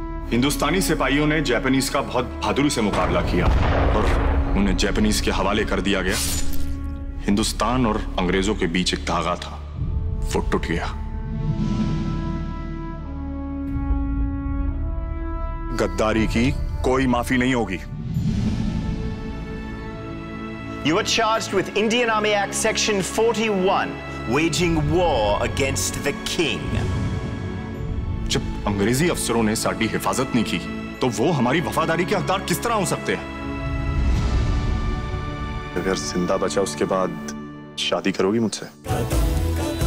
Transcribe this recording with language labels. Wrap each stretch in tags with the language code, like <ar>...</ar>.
<hi>हिंदुस्तानी सिपाहियों ने जापानीज का बहुत बहादुरी से मुकाबला किया और उन्हें जापानीज के हवाले कर दिया गया। हिंदुस्तान और अंग्रेजों के बीच एक धागा था, वो टूट गया। गद्दारी की कोई माफी नहीं होगी।</hi> <en>You are charged with Indian Army Act Section 41, waging war against the king.</en> <hi>जब अंग्रेजी अफसरों ने साड़ी हिफाजत नहीं की तो वो हमारी वफादारी के हकदार किस तरह हो सकते हैं? अगर जिंदा बचा उसके बाद शादी करोगी मुझसे?</hi>